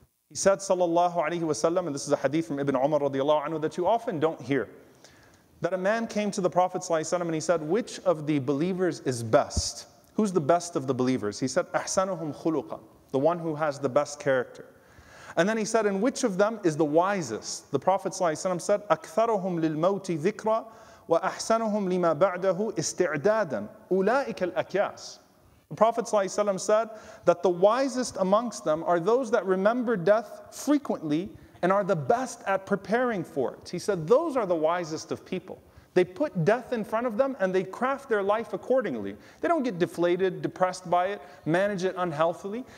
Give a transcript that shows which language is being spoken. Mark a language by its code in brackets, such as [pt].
[en] He said, sallallahu alayhi wa sallam, and this is a hadith from Ibn Umar radiallahu anhu that you often don't hear, that a man came to the Prophet sallallahu alayhi wa sallam and he said, which of the believers is best? Who's the best of the believers? He said, [ar] أحسنهم خلقا, [en] the one who has the best character. And then he said, and which of them is the wisest? [ar] The Prophet sallallahu alayhi wa sallam said, أكثرهم للموت ذكرا وَأَحْسَنُهُمْ لِمَا بَعْدَهُ إِسْتِعْدَادًا أُولَٰئِكَ الْأَكْيَاسِ. [en] The Prophet ﷺ said that the wisest amongst them are those that remember death frequently and are the best at preparing for it. He said those are the wisest of people. They put death in front of them and they craft their life accordingly. They don't get deflated, depressed by it, manage it unhealthily.